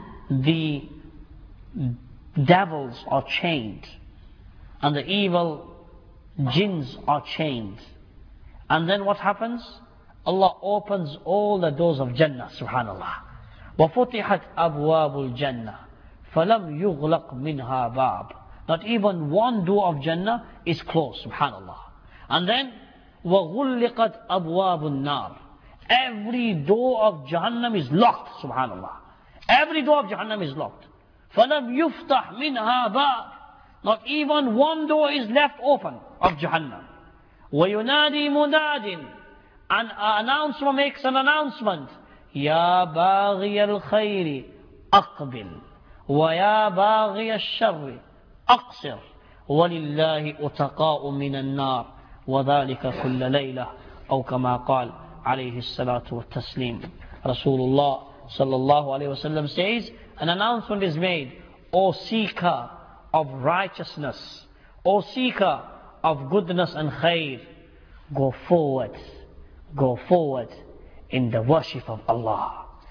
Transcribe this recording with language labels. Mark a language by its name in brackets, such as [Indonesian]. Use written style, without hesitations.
[English] The devils are chained, and the evil jinns are chained. And then what happens? Allah opens all the doors of Jannah, subhanAllah. [Arabic] وَفُتِحَتْ أَبْوَابُ الْجَنَّةِ فَلَمْ يُغْلَقْ مِنْهَا بَابٌ. [English] Not even one door of Jannah is closed, subhanAllah. And then, [Arabic] وَغُلِّقَتْ أَبْوَابُ النَّارِ. [English] Every door of Jahannam is locked, subhanAllah. Every door of Jahannam is locked. [Arabic] فَلَمْ يُفْتَحْ مِنْهَا بَابٌ. [English] Not even one door is left open of Jahannam. [Arabic] وَيُنَادِي مُنَادٍ. [English] An announcer makes an announcement. [Arabic] يَا بَاغِيَ الْخَيْرِ أَقْبِلْ وَيَا بَاغِيَ الشَّرِّ أَقْصِرْ وَلِلَّهِ أُتَقَاءُ مِنَ النَّارِ وَذَلِكَ كُلَّ لَيْلَةٍ أو كما قال عليه الصلاة والتسليم. رسول الله صلى الله عليه وسلم [English] says, an announcement is made, O seeker of righteousness, O seeker of goodness and khair, go forward in the worship of Allah.